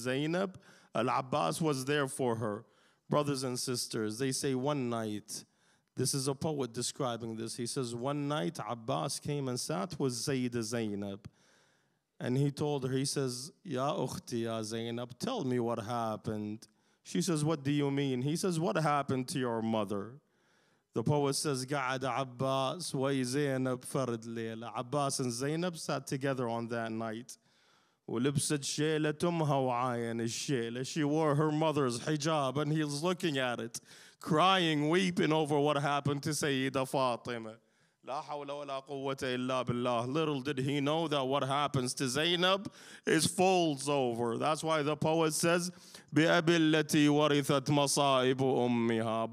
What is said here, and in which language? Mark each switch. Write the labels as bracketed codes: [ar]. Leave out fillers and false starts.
[en] Zainab, Al-Abbas was there for her. Brothers and sisters, they say one night, this is a poet describing this. He says, one night, Abbas came and sat with Sayyida Zainab. And he told her, he says, [ar] Ya Ukhti, [en] Ya Zainab, tell me what happened. She says, what do you mean? He says, what happened to your mother? The poet says, [ar] قعد عباس وزينب فرد ليلة. [en] Abbas and Zainab sat together on that night. [ar] ولبست شيلة أمها وعاين الشيلة. [en] She wore her mother's hijab and he was looking at it, crying, weeping over what happened to Sayyida Fatima. [ar] لا حول ولا قوة إلا بالله. [en] Little did he know that what happens to Zainab is folds over. That's why the poet says, [ar] بأبي التي ورثت مصائب أمها.